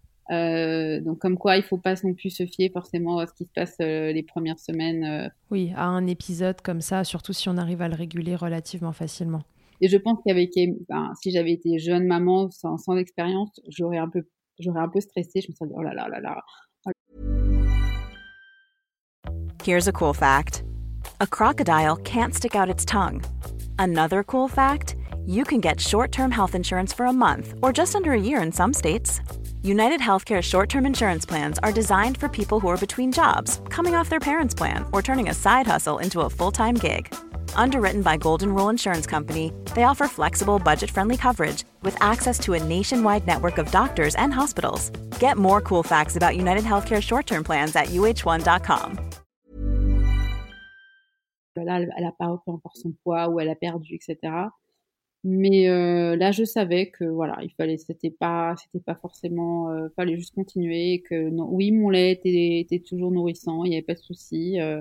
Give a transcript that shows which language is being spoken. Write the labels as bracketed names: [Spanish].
[French] Donc, comme quoi, il ne faut pas non plus se fier forcément à ce qui se passe les premières semaines. Oui, à un épisode comme ça, surtout si on arrive à le réguler relativement facilement. Et je pense qu'avec, si j'avais été jeune maman sans expérience, j'aurais un peu stressé. Je me serais dit, oh là là là là. [English] Here's a cool fact. A crocodile can't stick out its tongue. Another cool fact, you can get short-term health insurance for a month or just under a year in some states. UnitedHealthcare short-term insurance plans are designed for people who are between jobs, coming off their parents' plan, or turning a side hustle into a full-time gig. Underwritten by Golden Rule Insurance Company, they offer flexible, budget-friendly coverage with access to a nationwide network of doctors and hospitals. Get more cool facts about UnitedHealthcare short-term plans at uh1.com. [French] Là, elle a pas repris encore son poids ou elle a perdu, etc. Mais là, je savais que voilà, il fallait, c'était pas forcément, fallait juste continuer. Et que non, oui, mon lait était toujours nourrissant, il n'y avait pas de souci.